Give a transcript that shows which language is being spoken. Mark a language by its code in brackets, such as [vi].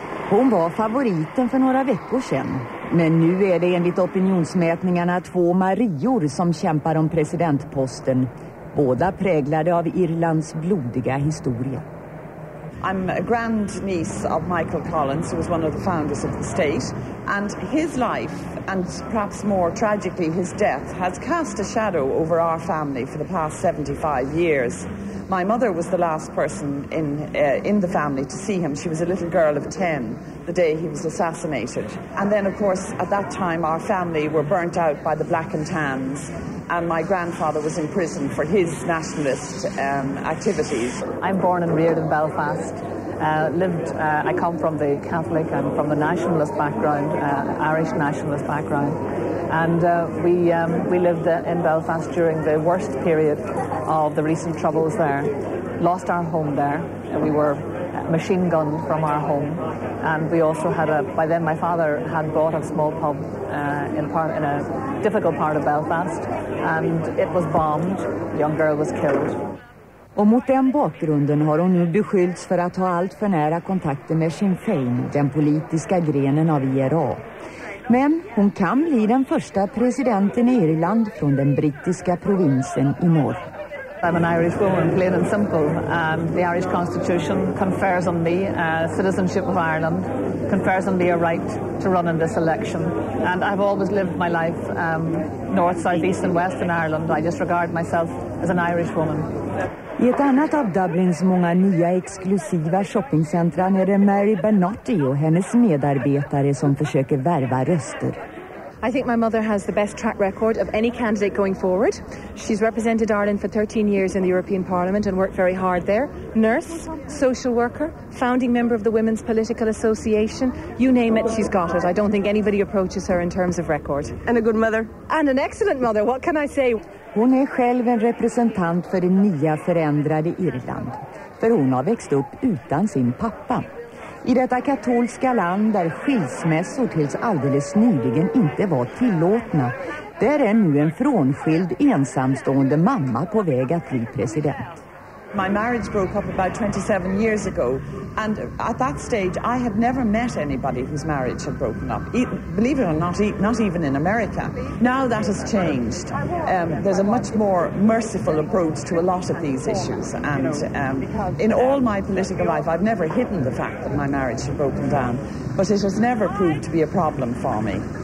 [sv] Hon var favoriten för några veckor sedan. Men nu är det enligt opinionsmätningarna två Marior som kämpar om presidentposten. Båda präglade av Irlands blodiga historia. [en] I'm a grandniece of Michael Collins, who was one of the founders of the state, and his life, and perhaps more tragically his death, has cast a shadow over our family for the past 75 years. My mother was the last person in the family to see him. She was a little girl of 10 the day he was assassinated. And then, of course, at that time, our family were burnt out by the black and tans, and my grandfather was in prison for his nationalist activities. I'm born and reared in Belfast. I come from the Catholic and from the nationalist background, Irish nationalist background. And we lived in Belfast during the worst period of the recent troubles there. Lost our home there. We were machine gunned from our home. And we also had by then my father had bought a small pub in a difficult part of Belfast. And it was bombed. A young girl was killed. [sv] Och mot den bakgrunden har hon nu beskyllts för att ha allt för nära kontakter med Sinn Féin, den politiska grenen av IRA. Men hon kan bli den första presidenten i Irland från den brittiska provinsen i norr. [en] I'm an Irish woman, plain and simple. The Irish Constitution confers on me citizenship of Ireland, confers on me a right to run in this election. And I've always lived my life north, south, east and west in Ireland. I just regard myself as an Irish woman. [sv] I ett annat av Dublins många nya exklusiva shoppingcentra är det Mary Bernotti och hennes medarbetare som försöker värva röster. [en] I think my mother has the best track record of any candidate going forward. She's represented Ireland for 13 years in the European Parliament and worked very hard there. Nurse, social worker, founding member of the Women's Political Association, you name it, she's got it. I don't think anybody approaches her in terms of record. And a good mother. And an excellent mother, what can I say? [sv] Hon är själv en representant för det nya förändrade Irland. För hon har växt upp utan sin pappa. I detta katolska land där skilsmässor tills alldeles nyligen inte var tillåtna, där är nu en frånskild ensamstående mamma på väg att bli president. [en] My marriage broke up about 27 years ago, and at that stage I had never met anybody whose marriage had broken up, believe it or not, not even in America. Now that has changed. There's a much more merciful approach to a lot of these issues, and in all my political life I've never hidden the fact that my marriage had broken down, but it has never proved to be a problem for me.